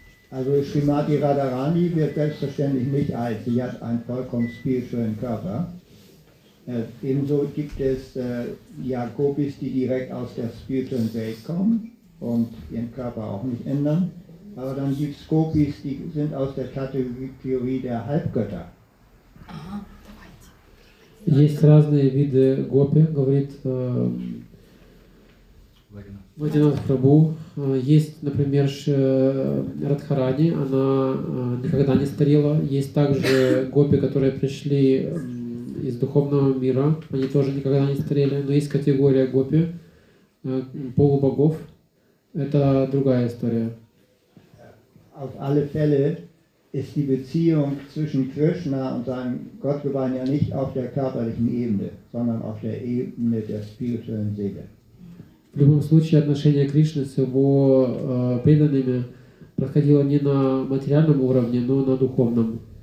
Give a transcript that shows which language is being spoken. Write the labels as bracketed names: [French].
[German] Also Srimati Radharani wird selbstverständlich nicht alt, sie hat einen vollkommen spirituellen Körper. Ebenso gibt es ja, Gopis, die direkt aus der spirituellen Welt kommen und ihren Körper auch nicht ändern. Aber dann gibt es Gopis, die sind aus der Kategorie der Halbgötter. [Russian] Есть разные виды гопи, говорит Вайдьянатх Прабху. Есть, например, Радхарани, она никогда не старела. Есть также гопи, которые пришли из духовного мира, они тоже никогда не старели. Но есть категория гопи, полубогов. Это другая история. [German] Auf alle Fälle ist die Beziehung zwischen Krishna und seinem Gottgeweihten ja nicht auf der körperlichen Ebene, sondern auf der Ebene der spirituellen Seele. [Russian] В любом случае, отношение Кришны с его преданными проходило не на материальном уровне, но на духовном.